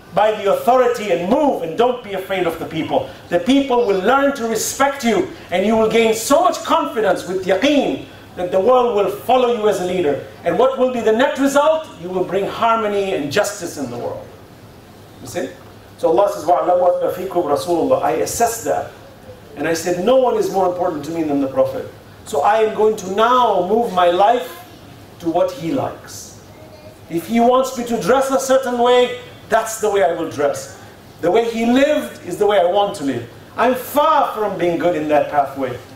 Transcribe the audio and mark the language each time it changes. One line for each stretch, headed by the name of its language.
English: by the authority and move and don't be afraid of the people. The people will learn to respect you and you will gain so much confidence with yaqeen that the world will follow you as a leader. And what will be the net result? You will bring harmony and justice in the world. You see? So Allah says,
Arabic: وَعْلَمُ أَنَّ فِيكُمْ رَسُولُ اللَّهِ.
English: I assess that. And I said, no one is more important to me than the Prophet. So I am going to now move my life to what he likes. If he wants me to dress a certain way, that's the way I will dress. The way he lived is the way I want to live. I'm far from being good in that pathway.